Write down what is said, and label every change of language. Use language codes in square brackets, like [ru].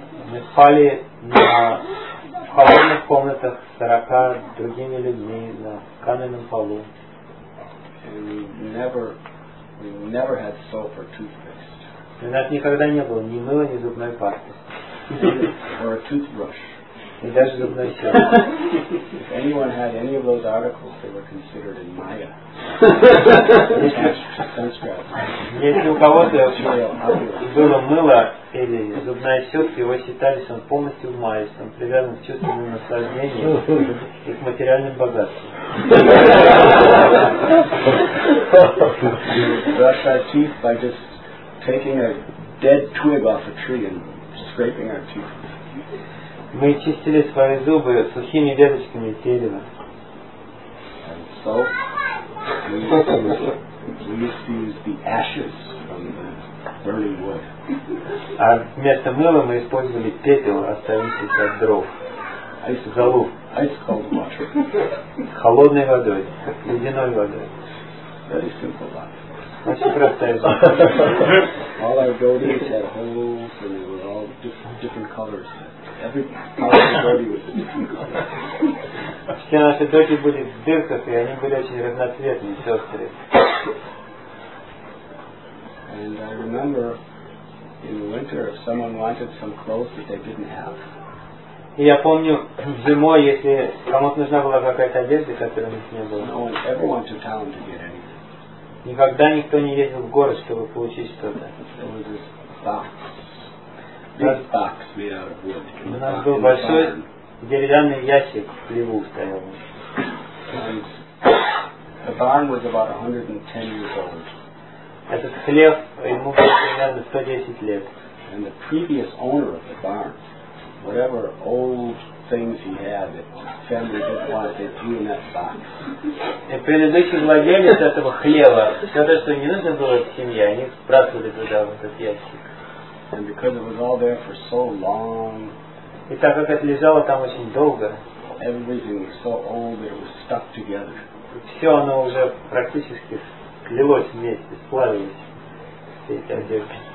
[ru] Мы спали на холодных комнатах с 40 другими людьми на каменном полу. [en] And we never had soap or toothpaste. [ru] У нас никогда не было ни мыла, ни зубной пасты. [en] or a toothbrush. It doesn't look like that. If anyone had any of those articles, they were considered in Maya. [ru] Если у кого-то было мыло или зубная щетка, его считали, что он полностью в мае, что он привязан к чувственному наслаждению и к материальным богатствам. Мы чистили свои зубы сухими веточками дерева. [en] We used to use the ashes from the burning wood. [ru] А вместо мыла мы использовали пепел, оставшийся от дров. [en] Ice cold water. [ru] Холодной водой, ледяной водой. [en] Very simple life. [ru] Очень простая жизнь. [en] All our buildings had holes, and they were all different colors. [ru] Все наши доки были в дырках, и они были очень разноцветные, сестры. [en] And I remember in the winter if someone wanted some clothes that they didn't have. [ru] И я помню зимой, если кому-то нужна была какая-то одежда, которой у них не было. [en] No one ever went to town to get anything. [ru] Никогда никто не ездил в город, чтобы получить что-то. [en] It was this box. Big box made out of wood. [ru] У нас был большой деревянный ящик в хлеву стоял. [en] The barn was about 110 years old. [ru] Этот хлев, ему было примерно 110 лет. [en] And the previous owner of the barn, whatever old things he had that family didn't want, they threw in that box. [ru] И предыдущий владелец этого хлева, все то, что не нужно было в семье, они сбрасывали туда, в этот ящик. [en] And because it was all there for so long, [ru] и так как это лежало там очень долго, [en] everything was so old that it was stuck together. [ru] Все оно уже практически слилось вместе, сплавились все эти одежды.